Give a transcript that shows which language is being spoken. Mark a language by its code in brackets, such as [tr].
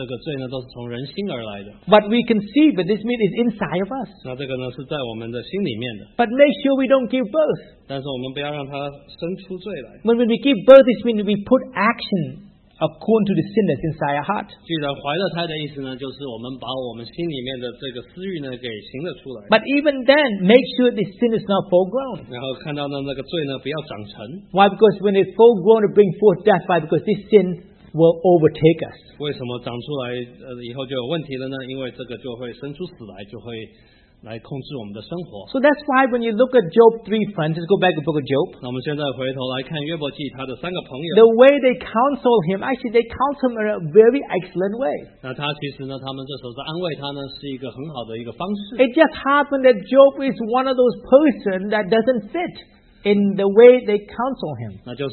[zh] 所以呢，我们可以看到呢，这个罪呢，都是从人心而来的。 [en] But we conceive it. This means it's inside of us. [zh] 那这个呢，是在我们的心里面的。 [en] But make sure we don't give birth. [zh] 但是我们不要让它生出罪来。 [en] When we give birth, this means we put action according to the sin that's inside our heart. [zh] 既然怀了胎的意思呢，就是我们把我们心里面的这个私欲呢给行了出来。 [en] But even then, make sure this sin is not full grown. [zh] 然后看到呢，那个罪呢不要长成。 [en] Why? Because when it's full grown, it brings forth death. Why? Because this sin will overtake us. [zh] 为什么长出来以后就有问题了呢？因为这个就会生出死来，就会 [en] So that's why when you look at Job 3, friends, let's go back to the book of Job. The way they counsel him, actually they counsel him in a very excellent way. It just happened that Job is one of those persons that doesn't fit in the way they counsel him.